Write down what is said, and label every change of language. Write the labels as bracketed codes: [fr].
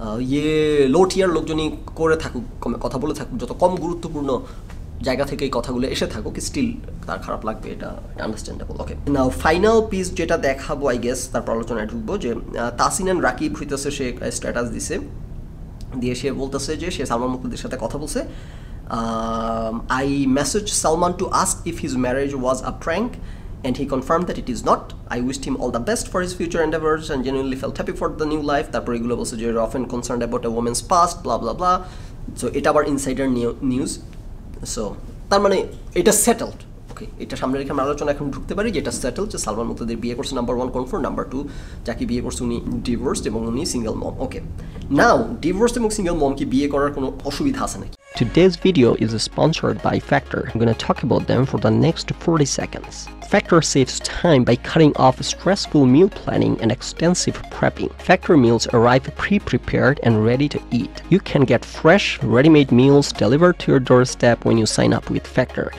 [bn] ইয়ে লো টিয়ার লোকজনই করে থাকুক কমে কথা বলে থাকুক যত কম গুরুত্বপূর্ণ জায়গা থেকে এই কথাগুলো এসে থাকুক স্টিল তার খারাপ লাগবে এটা আন্ডারস্ট্যান্ডেবল ওকে নাও ফাইনাল পিস যেটা দেখাবো আই গেস তারপর আলোচনায় ঢুকবো যে তাসিন অ্যান্ড রাকিব হইতেছে সে স্ট্যাটাস দিছে দিয়ে সে বলতেছে যে সে সালমান মুক্তাদির সাথে কথা বলছে [en] I messaged Salman to ask if his marriage was a prank and he confirmed that it is not. I wished him all the best for his future endeavors and genuinely felt happy for the new life. That regular was often concerned about a woman's past, blah, blah, blah. So it our insider news. [bn] So তার মানে এটা settled ওকে এটা সামনে রেখে আমরা আলোচনা এখন ঢুকতে পারি যে এটা সেটেলড যে সালমান মুক্তাদির বিয়ে করছে number one confirm number two যাকে বিয়ে করছে উনি ডিভোর্সড এবং উনি সিঙ্গেল মম ওকে নাও ডিভোর্সড এবং সিঙ্গেল মমকে বিয়ে করার কোনো অসুবিধা আছে নাকি [en] Today's video is sponsored by Factor. I'm going to talk about them for the next 40 seconds. Factor saves time by cutting off stressful meal planning and extensive prepping. Factor meals arrive pre-prepared and ready to eat. You can get fresh, ready-made meals delivered to your doorstep when you sign up with Factor.